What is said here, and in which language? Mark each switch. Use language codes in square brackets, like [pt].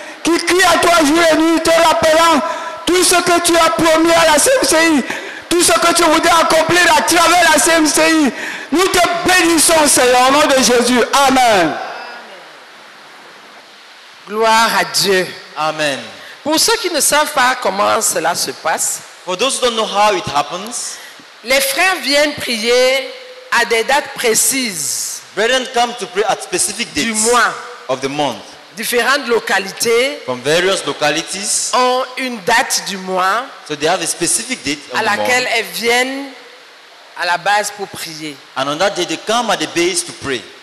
[fr] Qui crie à toi jour et nuit, te rappelant tout ce que tu as promis à la CMCI, tout ce que tu voudrais accomplir à travers la CMCI. Nous te bénissons, Seigneur, au nom de Jésus. Amen. Gloire à Dieu. Amen. Pour ceux qui ne savent pas comment cela se passe, [en] for those who don't know how it happens, [fr] les frères viennent prier à des dates précises. [en] Brethren come to pray at specific dates. [fr] Du mois. [en] Of the month. [fr] Différentes localités [en] from various localities [fr] ont une date du mois, [en] so they have a specific date [fr] à laquelle elles viennent à la base pour prier. [en] And on that day they come at the base to pray.